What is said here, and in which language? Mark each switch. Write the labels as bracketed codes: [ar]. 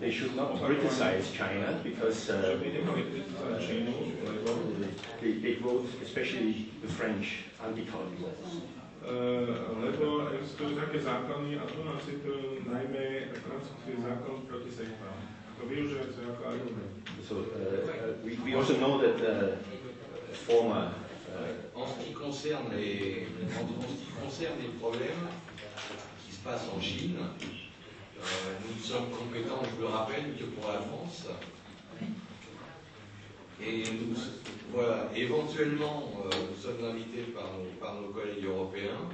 [en] they should not criticize China because they vote, especially the French, anti-colonial laws. [sk] Lebo existujú také zákony, a tu nám citujú najmä francúzsky zákon proti sektám. To využívajú sa ako argument. [en] So we also know that former... [fr] En ce qui concerne les problèmes qui se passent en Chine, nous sommes compétents, je le rappelle, que pour la France. Et nous, voilà, éventuellement, nous sommes invités par nos collègues européens.